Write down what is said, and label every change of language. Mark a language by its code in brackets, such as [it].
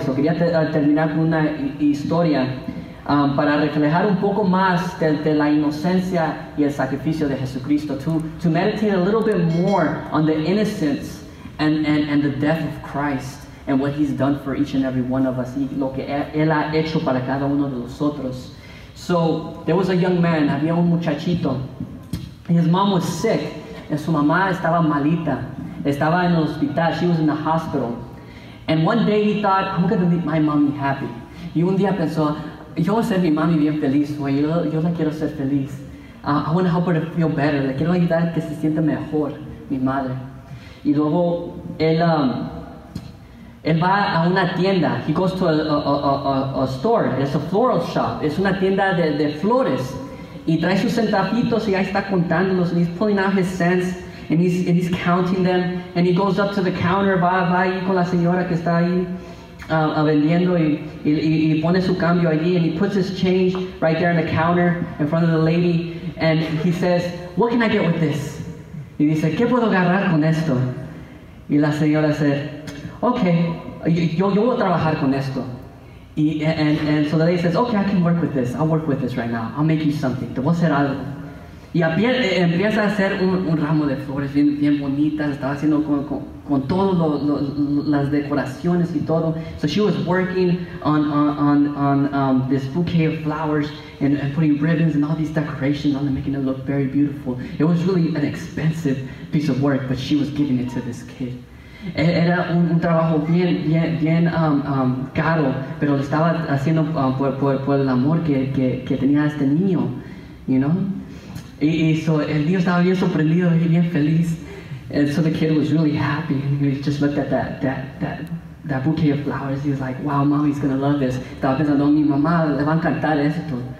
[es] So quería terminar con una historia para reflejar un poco más de la inocencia y el sacrificio de Jesucristo. [en] To meditate a little bit more on the innocence and the death of Christ and what he's done for each and every one of us. [es] Y lo que él ha hecho para cada uno de nosotros. [en] So there was a young man, [es] había un muchachito. [en] His mom was sick. [es] And su mamá estaba malita. Estaba en el hospital. [en] She was in the hospital. And one day he thought, I'm going to make my mommy happy. [es] Y un día pensó, yo voy a hacer mi mami bien feliz, güey. Yo la quiero ser feliz. [en] I want to help her to feel better. [es] Le quiero ayudar que se sienta mejor, mi madre. Y luego, él va a una tienda. [en] He goes to a store. It's a floral shop. [es] Es una tienda de flores. Y trae sus centavitos y ahí está contándolos. [en] And he's pulling out his cents. And he's counting them. And he goes up to the counter. [es] Va ahí con la señora que está ahí. Vendiendo y pone su cambio allí, [en] and he puts his change right there on the counter in front of the lady, and he says, what can I get with this? [es] Y dice, ¿qué puedo agarrar con esto? Y la señora [en] said, [es] okay, yo voy a trabajar con esto. [en] And so the lady says, okay, I can work with this. I'll work with this right now. I'll make you something. [es] Te voy a hacer algo. Y empieza a hacer un ramo de flores bien, bien bonitas. Estaba haciendo con todas las decoraciones y todo. [en] So she was working on this bouquet of flowers and putting ribbons and all these decorations on them, making it look very beautiful. It was really an expensive piece of work, but she was giving it to this kid. [es] Era un trabajo bien caro, pero lo estaba haciendo por el amor que tenía este niño, [en] you know? [es] Y el niño estaba bien sorprendido y bien feliz. [en] And so the kid was really happy. And he just looked at that bouquet of flowers. He was like, wow, mommy's going to love this. [es] Estaba pensando, mi mamá le va a encantar esto.